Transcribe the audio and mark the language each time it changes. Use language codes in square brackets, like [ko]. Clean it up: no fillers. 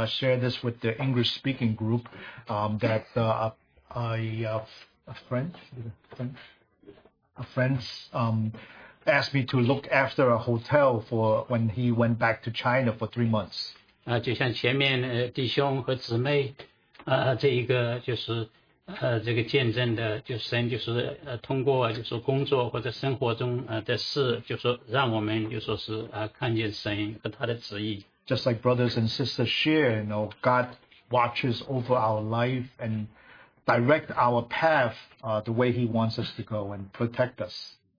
[en] I share this with the English-speaking group, that a friend asked me to look after a hotel for when he went back to China for 3 months. [zh] 就像前面弟兄和姊妹，这一个就是。这个见证的，就神就是通过就是工作或者生活中的事，就说让我们就说是看见神和他的旨意。Just [en] like brothers and sisters share, you know, God watches over our life and direct our path, the way He wants us to go and protect us.